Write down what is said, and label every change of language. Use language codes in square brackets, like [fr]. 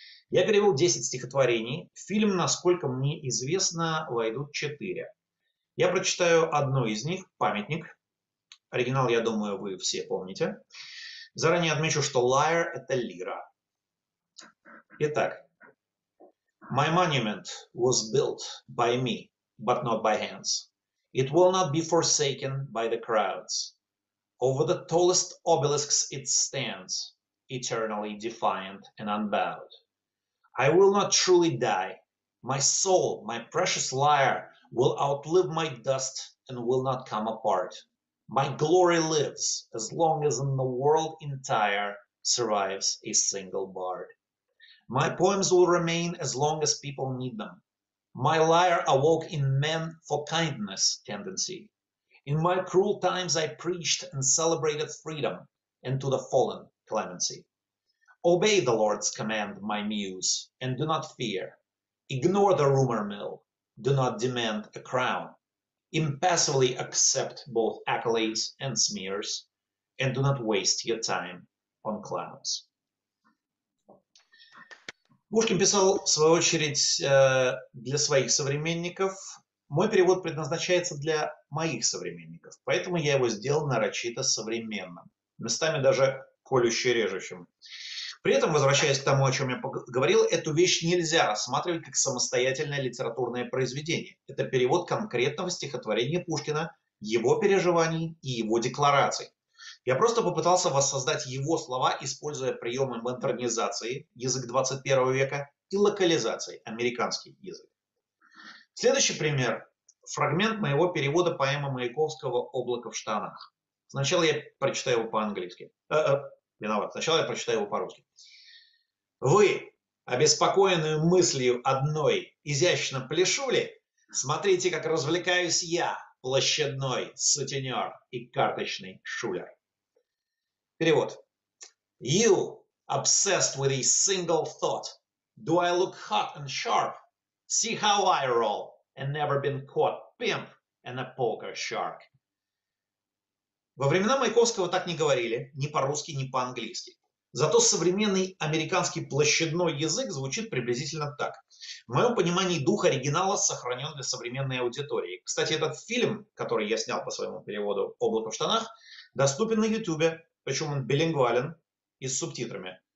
[ru] Я перевел 10 стихотворений, в фильм, насколько мне известно, войдут 4. Я прочитаю одно из них – «Памятник». Оригинал, я думаю, вы все помните. Заранее отмечу, что «Lyre» – это лира. Итак. [en] «My monument was built by me, but not by hands. It will not be forsaken by the crowds. Over the tallest obelisks it stands, eternally defiant and unbowed. I will not truly die. My soul, my precious lyre, will outlive my dust and will not come apart. My glory lives as long as in the world entire survives a single bard. My poems will remain as long as people need them. My lyre awoke in men for kindness tendency. In my cruel times I preached and celebrated freedom and to the fallen clemency. Obey the Lord's command, my muse, and do not fear. Ignore the rumor mill. Do not demand a crown. Impassively accept both accolades and smears, and do not waste your time on clowns». [ru] Пушкин писал, в свою очередь, для своих современников. Мой перевод предназначается для моих современников, поэтому я его сделал нарочито современным, местами даже колюще-режущим. При этом, возвращаясь к тому, о чем я говорил, эту вещь нельзя рассматривать как самостоятельное литературное произведение. Это перевод конкретного стихотворения Пушкина, его переживаний и его деклараций. Я просто попытался воссоздать его слова, используя приемы модернизации, язык 21 века, и локализации, американский язык. Следующий пример – фрагмент моего перевода поэмы Маяковского «Облако в штанах». Сначала я прочитаю его по-английски. Виноват. Сначала я прочитаю его по-русски. «Вы, обеспокоенную мыслью одной, изящно пляшули, смотрите, как развлекаюсь я, площадной сутенер и карточный шулер». Перевод. [en] «You, obsessed with a single thought, do I look hot and sharp? See how I roll, and never been caught pimp and a poker shark». [ru] Во времена Маяковского так не говорили, ни по-русски, ни по-английски. Зато современный американский площадной язык звучит приблизительно так. В моем понимании дух оригинала сохранен для современной аудитории. Кстати, этот фильм, который я снял по своему переводу «Облако в штанах», доступен на YouTube, причем он билингвален и с субтитрами.